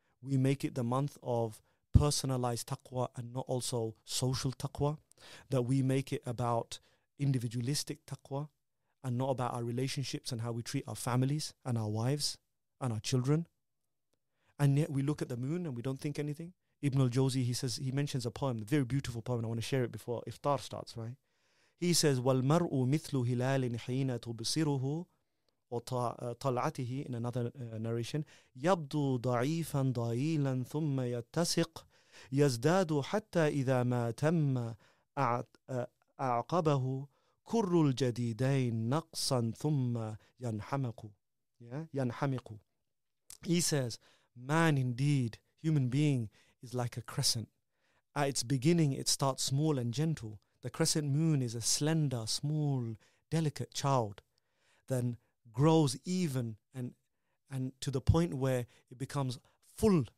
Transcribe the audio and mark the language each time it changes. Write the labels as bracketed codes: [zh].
[en] We make it the month of personalized taqwa and not also social taqwa, that we make it about individualistic taqwa and not about our relationships and how we treat our families and our wives and our children. And yet we look at the moon and we don't think anything. Ibn al-Jawzi, he mentions a poem, a very beautiful poem. I want to share it before iftar starts, right? He says, [ar] وَالْمَرْءُ مِثْلُ هِلَالٍ حِينَ تُبْصِرُهُ وَطَلْعَتِهِ, [en] in another narration, [ar] يَبْدُو ضَعِيفًا ضَعِيلًا ثُمَّ يَتَّسِقْ يَزْدَادُ حَتَّى إِذَا مَا تَمَّ أَعْقَبَهُ كُرُّ الْجَدِيدَيْنِ نَقْصًا ثُمَّ يَنْحَمَقُ. يَنْحَمِقُ. [en] He says, man indeed, human being, is like a crescent. At its beginning, it starts small and gentle. The crescent moon is a slender, small, delicate child, then grows even and to the point where it becomes full.